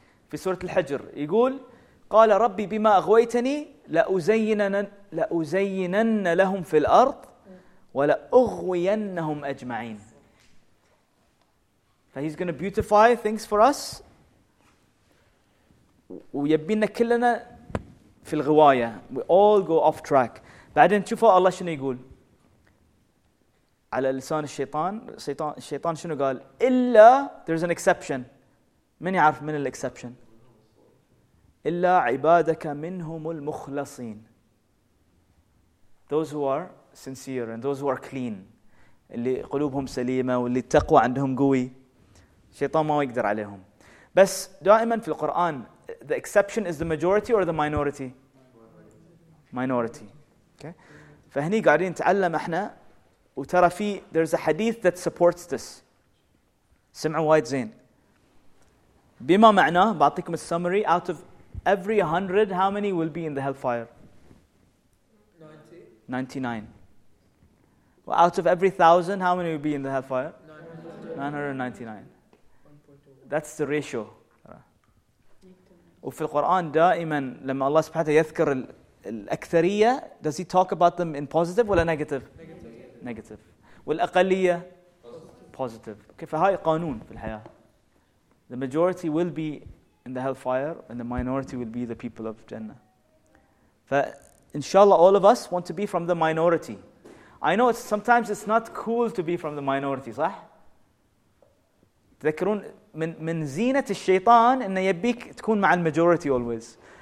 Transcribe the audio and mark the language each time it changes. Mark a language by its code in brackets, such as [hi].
[ar] في سورة الحجر يقول قال ربي بما أغويتني لأزينن لهم في الأرض ولأغوينهم أجمعين فهيز [en] gonna beautify things for us [ar] ويبينا كلنا في الغواية [en] we all go off track [ar] بعدين تشوفوا الله شنو يقول على لسان الشيطان. الشيطان شنو قال؟ إلا [en] there's an exception. [ar] من يعرف من الاكسبشن؟ إلا عبادك منهم المخلصين. [en] Those who are sincere and those who are clean. [ar] اللي قلوبهم سليمة واللي التقوى عندهم قوي. الشيطان ما يقدر عليهم. بس دائما في القرآن [en] the exception is the majority or the minority? Minority. Okay. [ar] فهني قاعدين نتعلم احنا وترى في [en] there's a hadith that supports this. [ar] سمعوا وايد زين. بما معناه بعطيكم السمري [en] out of every 100 how many will be in the hellfire? 99. Well, out of every 1,000 how many will be in the hellfire? 999. That's the ratio. [ar] وفي القرآن دائما لما الله سبحانه وتعالى يذكر الأكثرية [en] does he talk about them in positive [ar] ولا [en] negative? Negative. [ar] والأقلية [en] positive. [ar] كيف هاي قانون في الحياة. [en] The majority will be in the hellfire and the minority will be the people of Jannah. [ar] فإن شاء الله [en] all of us want to be from the minority. I know it's, sometimes it's not cool to be from the minority, [ar] صح؟ تذكرون من زينة الشيطان إنه يبيك تكون مع الماجوريتي [en] always.